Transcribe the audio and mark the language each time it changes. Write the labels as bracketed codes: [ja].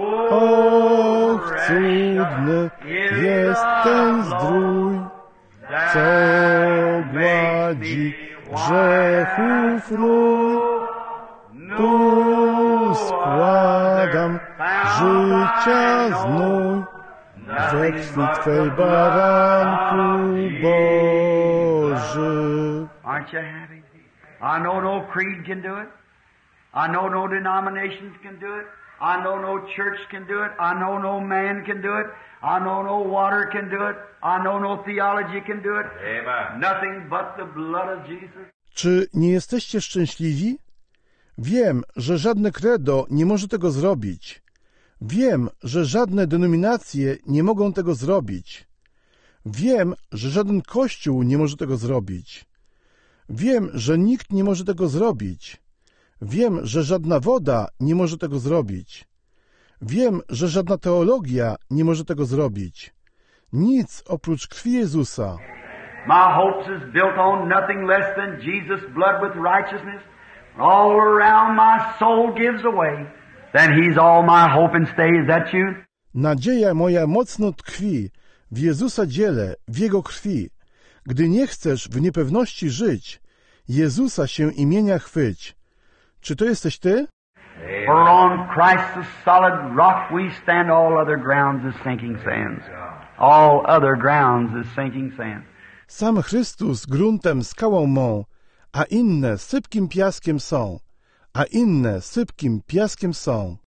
[pl] Och, cudny jest ten zdrój, co gładzi grzechów rój. Tu składam życia znój, we krwi Twej, Baranku Boży. [en] Aren't you happy? I know no creed can do it. I know no denominations can do it. I know no church can do it. I know no man can do it. I know no water can do it. I know no theology can do it. Amen. Nothing but the blood of Jesus. [pl] Czy nie jesteście szczęśliwi? Wiem, że żadne credo nie może tego zrobić. Wiem, że żadne denominacje nie mogą tego zrobić. Wiem, że żaden kościół nie może tego zrobić. Wiem, że nikt nie może tego zrobić. Wiem, że żadna woda nie może tego zrobić. Wiem, że żadna teologia nie może tego zrobić. Nic oprócz krwi Jezusa. [en] My hopes is built on nothing less than Jesus' blood with righteousness. All around my soul gives away. Then He's all my hope and stay. Is that you? [pl] Nadzieja moja mocno tkwi w Jezusa dziele, w Jego krwi. Gdy nie chcesz w niepewności żyć, Jezusa się imienia chwyć. Czy to jesteś Ty? [en] For on Christ the solid rock we stand, all other grounds is sinking sands. All other grounds is sinking sands. [pl] Sam Chrystus gruntem, skałą mą, a inne sypkim piaskiem są. A inne sypkim piaskiem są.